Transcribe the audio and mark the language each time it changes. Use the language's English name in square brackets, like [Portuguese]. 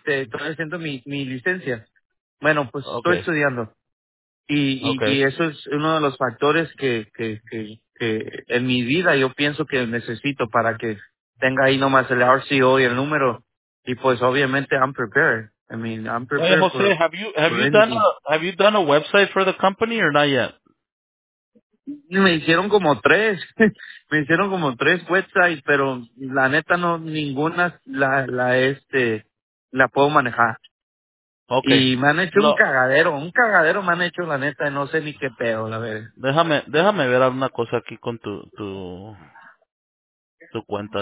[Spanish] Estoy haciendo mi licencia. Bueno, pues estoy estudiando. Y eso es uno de los factores que en mi vida yo pienso que necesito para que tenga ahí nomás el RCO y el número. Y pues obviamente [English] I'm prepared. I mean, I'm prepared. Hey, Jose, have you done a website for the company or not yet? [Spanish] Me hicieron como tres. Me hicieron como tres websites, pero la neta no ninguna la puedo manejar. [English] Okay. [Spanish] Y me han hecho un cagadero me han hecho, la neta, no sé ni qué pedo, la verdad. Déjame ver alguna cosa aquí con tu cuenta.